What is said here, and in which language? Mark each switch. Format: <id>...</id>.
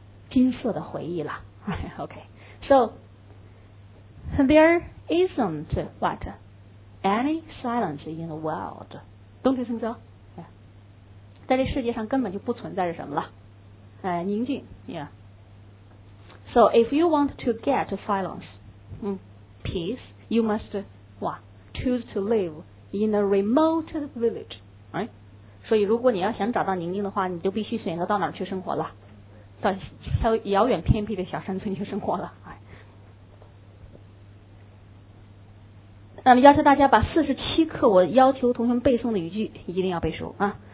<zh>金色的回忆了。</zh> <en>OK. So, there isn't what? Any silence in the world. Don't you think so? Yeah.</en> <zh>在这世界上根本就不存在着什么了。宁静。Yeah.</zh> <en>So, if you want to get silence, peace, you must what? Choose to live in a remote village. Right?</en> <zh>所以如果你要想找到宁静的话你就必须选择到哪儿去生活了。到遥远偏僻的小山村去生活了。那么要求大家把47课我要求同学们背诵的语句一定要背熟啊！</zh>